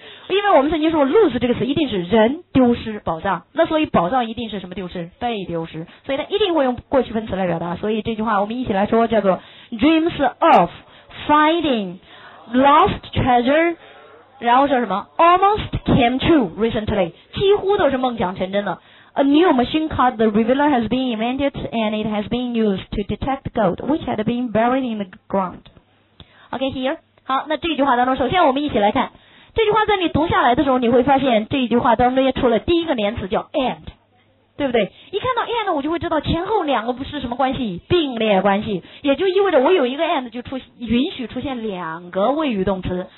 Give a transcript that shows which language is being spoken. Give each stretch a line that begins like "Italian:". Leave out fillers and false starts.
Chinese: 因为我们曾经说 lose 这个词一定是人丢失宝藏，那所以宝藏一定是什么丢失？被丢失。所以它一定会用过去分词来表达。所以这句话我们一起来说，叫做
English: dreams of finding lost treasure，
Chinese: 然后说什么
English: almost came true recently，
Chinese: 几乎都是梦想成真的。
English: A new machine called the Revealer has been invented and it has been used to detect gold which had been buried in the ground. OK here，
Chinese: 好，那这句话当中首先我们一起来看这句话，在你读下来的时候，你会发现这句话当中也出了第一个连词叫 and， 对不对？一看到 and， 我就会知道前后两个不是什么关系，并列关系，也就意味着我有一个 and 就出允许出现两个谓语动词。